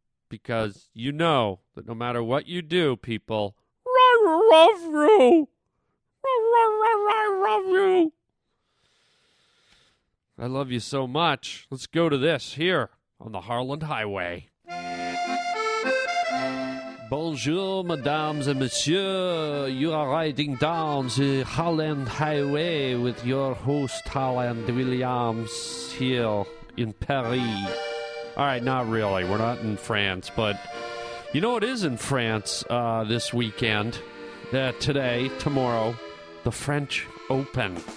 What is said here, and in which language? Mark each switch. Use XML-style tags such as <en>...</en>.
<en>Because you know that no matter what you do, people, I love you. I love you. I love you so much. Let's go to this here on the Harland Highway.</en> <fr>Bonjour, mesdames et messieurs.</fr> <en>You are riding down the Harland Highway with your host, Harland Williams, here in Paris. All right, not really. We're not in France, but you know what is in France this weekend? Today, tomorrow, the French Open.</en>